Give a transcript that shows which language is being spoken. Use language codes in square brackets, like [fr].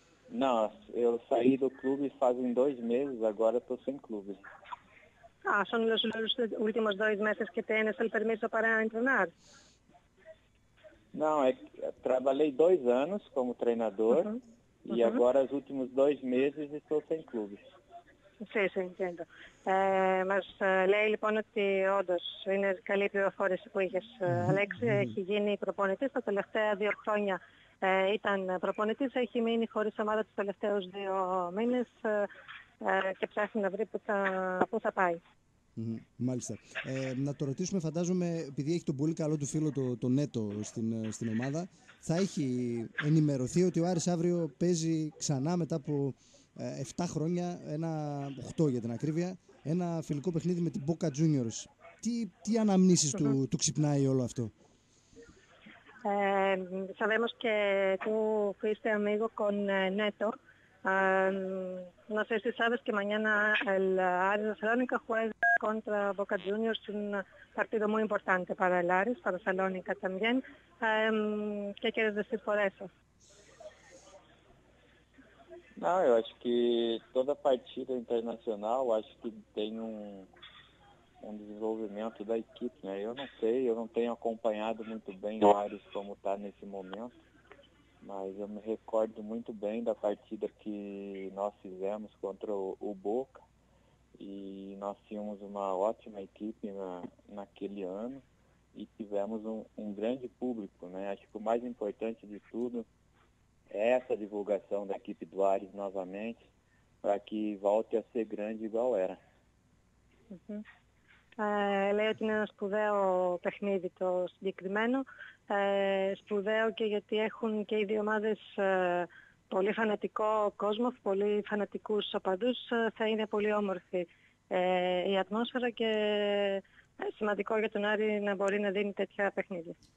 [pt] Não, eu saí do clube fazem 2 meses, agora estou sem clube. Ah, são os últimos 2 meses que tens o permiso para treinar? Não, trabalhei 2 anos como treinador. E agora, os últimos 2 meses, estou sem clube. Sim, sim, entendo. Mas lei, então, que, [el] όντως, [pt] é a [el] καλή πληροφόρηση που είχες, Αλέξη, έχει γίνει προπονητής τα τελευταία 2 χρόνια. Ήταν προπονητής, έχει μείνει χωρίς ομάδα τους τελευταίους 2 μήνες και ψάχνει να βρει πού θα πάει. Μάλιστα. Να το ρωτήσουμε, φαντάζομαι, επειδή έχει τον πολύ καλό του φίλο το Νέτο στην ομάδα, θα έχει ενημερωθεί ότι ο Άρης αύριο παίζει ξανά μετά από 7 χρόνια, ένα 8 για την ακρίβεια, ένα φιλικό παιχνίδι με την Boca Juniors. Τι αναμνήσεις του ξυπνάει όλο αυτό? [es] Sabemos que tú fuiste amigo con Neto. No sé si sabes que mañana el Ares Salónica juega contra Boca Juniors, un partido muy importante para el Ares, para Salónica también. ¿Qué quieres decir por eso? No, yo [pt] acho que [es] toda partida internacional, acho que tiene un desenvolvimiento de la equipe, ¿no? Yo no sé, yo no tengo acompañado muy bien el Ares como está en ese momento, [pt] mas eu me recordo muito bem da partida que nós fizemos contra o Boca e nós tínhamos uma ótima equipe naquele ano e tivemos um grande público, né? Acho que o mais importante de tudo essa divulgação da equipe do Ares novamente, para que volte a ser grande igual era. [el] Λέω ότι είναι ένα σπουδαίο παιχνίδι το συγκεκριμένο. Σπουδαίο και γιατί έχουν και οι δύο ομάδες πολύ φανατικό κόσμο, πολύ φανατικούς οπαδούς. Θα είναι πολύ όμορφη η ατμόσφαιρα και σημαντικό για τον Άρη να μπορεί να δίνει τέτοια παιχνίδια.